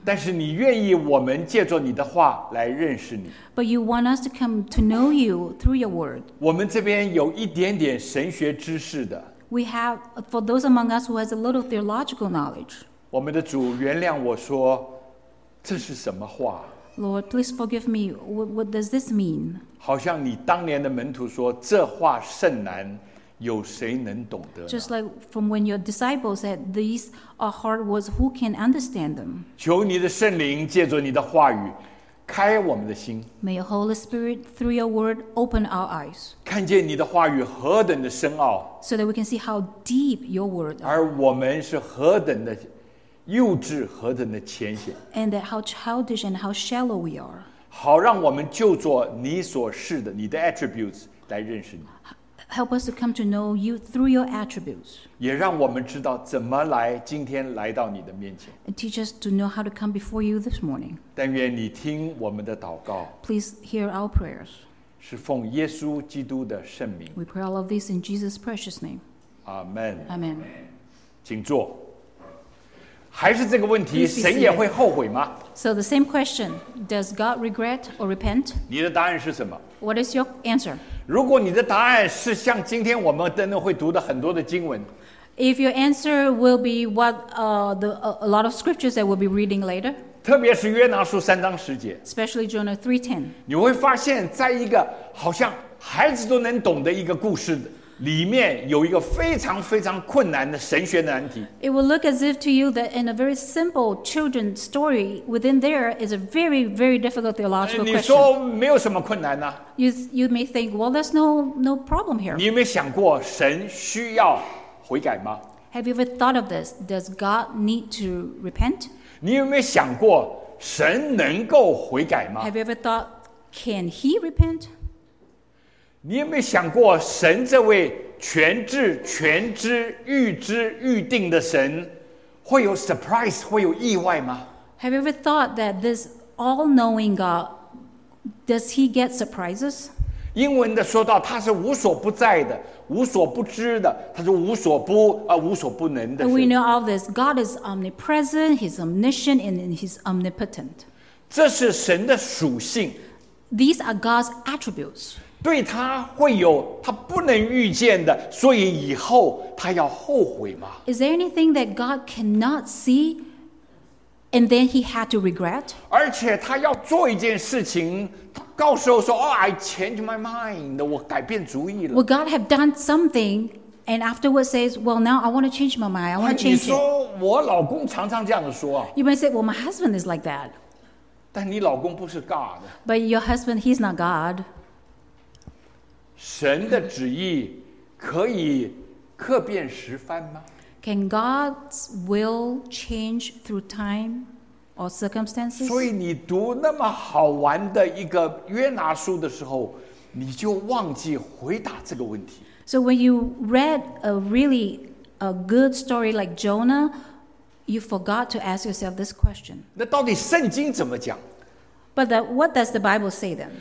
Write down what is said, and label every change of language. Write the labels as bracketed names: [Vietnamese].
[Chinese] 但是你愿意我们借着你的话来认识你。 [English] But you want us to come to know you through your word. [Chinese] 我们这边有一点点神学知识的。 [English] We have, for those among us who has a little theological knowledge. [Chinese] 我们的主，原谅我说这是什么话？ [English] Lord, please forgive me. What does this mean? [Chinese] 好像你当年的门徒说，这话甚难，有谁能懂得？ [English] Just like from when your disciples said, these are hard words, who can understand them? [Chinese] 求你的圣灵借着你的话语开我们的心。 [English] May your Holy Spirit, through your word, open our eyes. [Chinese] 看见你的话语何等的深奥。 [English] So that we can see how deep your word are. [Chinese] 而我们是何等的幼稚，何等的浅显。 [English] And that how childish and how shallow we are. [Chinese] 好让我们就做你所示的，你的 attributes 来认识你。 [English] Help us to come to know you through your attributes. [Chinese] 也让我们知道怎么来，今天来到你的面前。 [English] And teach us to know how to come before you this morning. [Chinese] 但愿你听我们的祷告。 [English] Please hear our prayers. [Chinese] 是奉耶稣基督的圣名。 [English] We pray all of this in Jesus' precious name. Amen. Amen. [Chinese] 请坐。还是这个问题，神也会后悔吗？ [English] So the same question, does God regret or repent? [Chinese] 你的答案是什么？ [English] What is your answer? [Chinese] 如果你的答案是像今天我们等等会读的很多的经文， [English] If your answer will be what a lot of scriptures that we'll be reading later, [Chinese] 特别是约拿书3:10, [English] especially Jonah 3:10, [Chinese] 你会发现在一个好像孩子都能懂的一个故事的里面有一个非常非常困难的神学难题。 [English] It will look as if to you that in a very simple children's story, within there is a very, very difficult theological question. [Chinese] 你说没有什么困难呢？ [English] You may think, well, there's no problem here. [Chinese] 你有没有想过神需要悔改吗？ [English] Have you ever thought of this? Does God need to repent? [Chinese] 你有没有想过神能够悔改吗？ [English] Have you ever thought, can he repent? [Chinese] 你有没有想过神这位全智全知预知预定的神会有 surprise 会有意外吗？ [English] Have you ever thought that this all-knowing God, does he get surprises? [Chinese] 英文的说到他是无所不在的，无所不知的，他是无所不能的神。 [English] We know all this. God is omnipresent, he's omniscient, and he's omnipotent. [Chinese] 这是神的属性。 [English] These are God's attributes. [Chinese] 对他会有他不能预见的，所以以后他要后悔吗？ [English] Is there anything that God cannot see and then he had to regret? [Chinese] 而且他要做一件事情，他告诉我说， [English] Oh, I changed my mind, [Chinese] 我改变主意了。 [English] Well, God have done something and afterwards says, well, now I want to change my mind, I want to change it. [Chinese] 你说我老公常常这样子说啊。 [English] You may say, well, my husband is like that. [Chinese] 但你老公不是 God. [English] But your husband, he's not God. [Chinese] 神的旨意可以刻变十番吗？ [English] Can God's will change through time or circumstances? [Chinese] 所以你读那么好玩的一个约拿书的时候，你就忘记回答这个问题。 [English] So when you read a really a good story like Jonah, you forgot to ask yourself this question. [Chinese] 那到底圣经怎么讲？ [English] But what does the Bible say then?